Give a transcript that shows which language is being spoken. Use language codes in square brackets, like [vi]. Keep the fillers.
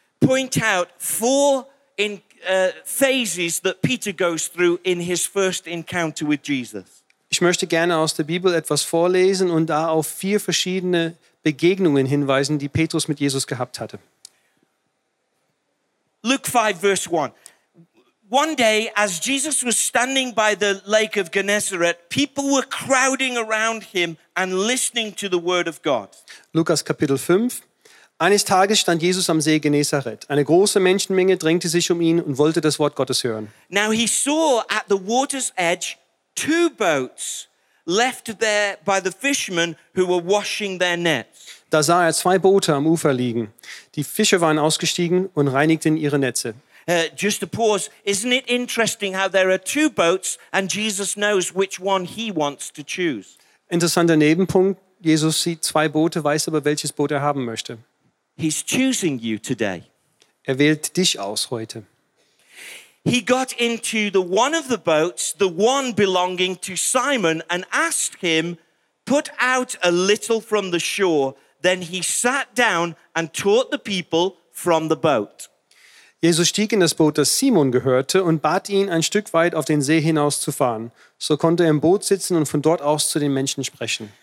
[en] point out four in, uh, phases that Peter goes through in his first encounter with Jesus. [de] Ich möchte gerne aus der Bibel etwas vorlesen und da auf vier verschiedene Begegnungen hinweisen, die Petrus mit Jesus gehabt hatte. [en] Luke 5, verse 1 one day, as Jesus was standing by the lake of Gennesaret, people were crowding around him and listening to the word of God. [de] Lukas Kapitel 5. Eines Tages stand Jesus am See Genesaret. Eine große Menschenmenge drängte sich um ihn und wollte das Wort Gottes hören. [en] Now he saw at the water's edge two boats left there by the fishermen who were washing their nets. [de] Da sah er zwei Boote am Ufer liegen. Die Fische waren ausgestiegen und reinigten ihre Netze. [en] Uh, just a pause, isn't it interesting how there are two boats and Jesus knows which one he wants to choose? [de] Interessanter Nebenpunkt, Jesus sieht zwei Boote, weiß aber welches Boot er haben möchte. [en] He's choosing you today. [de] Er wählt dich aus heute. [en] He got into the one of the boats, the one belonging to Simon and asked him, "Put out a little from the shore." Then he sat down and taught the people from the boat. [de] Jesus stieg in das Boot, das Simon gehörte, und bat ihn, ein Stück weit auf den See hinaus zu fahren. So konnte er im Boot sitzen und von dort aus zu den Menschen sprechen.